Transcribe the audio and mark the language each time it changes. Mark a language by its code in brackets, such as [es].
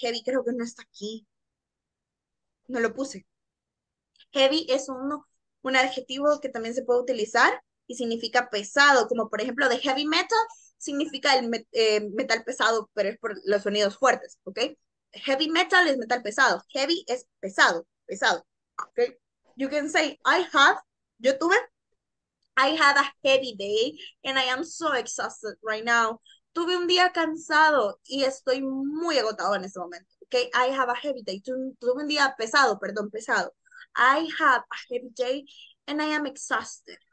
[es] Heavy creo que no está aquí. No lo puse. Heavy es un adjetivo que también se puede utilizar y significa pesado. Como por ejemplo, de heavy metal significa el metal pesado, pero es por los sonidos fuertes, ¿ok? Heavy metal es metal pesado. Heavy es pesado, pesado. Okay? [en] You can say, I had a heavy day and I am so exhausted right now. [es] Tuve un día cansado y estoy muy agotado en este momento. [en] Okay, I have a heavy day. [es] Tuve un día pesado, perdón, pesado. [en] I have a heavy day and I am exhausted.